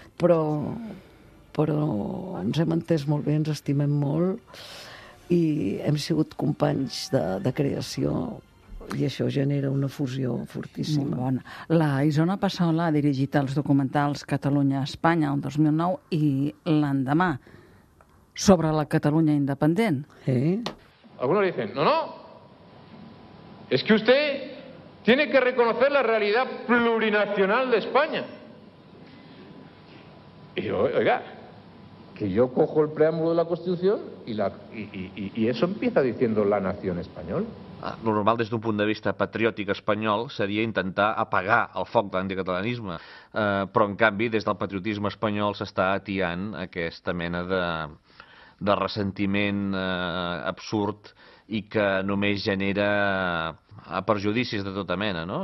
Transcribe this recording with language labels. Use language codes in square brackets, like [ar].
[ca] Però ens hem entès molt bé, ens estimem molt i hem sigut companys de creació. I això genera una fusió fortíssima. Molt bona. La Isona Passola ha dirigit els documentals Catalunya-Espanya el 2009 i L'endemà, sobre la Catalunya independent. Sí. [es] Algunos dicen, no, no. Es que usted tiene que reconocer la realidad plurinacional de España. Y yo, oiga, que yo cojo el preámbulo de la Constitución y eso empieza diciendo la nación española. Lo normal [ca] des d'un punt de vista patriòtic espanyol seria intentar apagar el foc de l'anticatalanisme, però en canvi des del patriotisme espanyol s'està atiant aquesta mena de ressentiment absurd i que només genera perjudicis de tota mena, no?